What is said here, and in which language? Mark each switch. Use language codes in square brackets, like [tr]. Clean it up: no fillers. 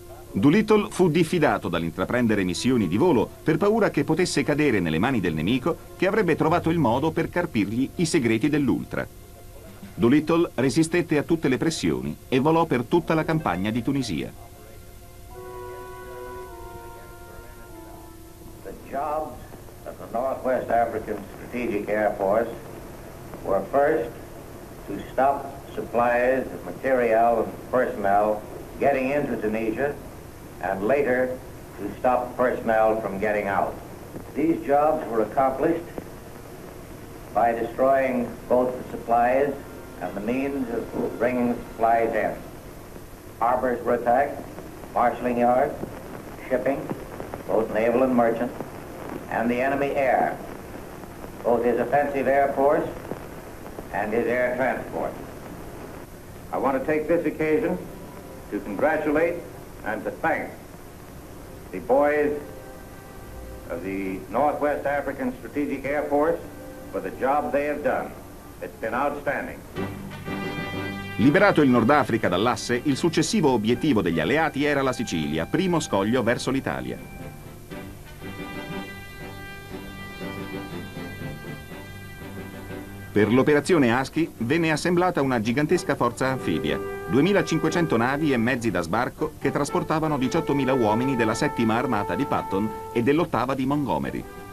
[it] Doolittle fu diffidato dall'intraprendere missioni di volo per paura che potesse cadere nelle mani del nemico che avrebbe trovato il modo per carpirgli i segreti dell'Ultra. Doolittle resistette a tutte le pressioni e volò per tutta la campagna di Tunisia. [en] The jobs of the Northwest African Strategic Air Force were first to stop supplies of material and personnel getting into Tunisia. And later to stop personnel from getting out. These jobs were accomplished by destroying both the supplies and the means of bringing the supplies in. Harbors were attacked, marshaling yards, shipping, both naval and merchant, and the enemy air, both his offensive air force and his air transport. I want to take this occasion to congratulate and to thank the boys of the Northwest African Strategic Air Force for the job they have done. It's been outstanding. [it] Liberato il Nord Africa dall'asse, il successivo obiettivo degli alleati era la Sicilia, primo scoglio verso l'Italia. Per l'operazione Husky venne assemblata una gigantesca forza anfibia, 2500 navi e mezzi da sbarco che trasportavano 18.000 uomini della settima armata di Patton e dell'ottava di Montgomery.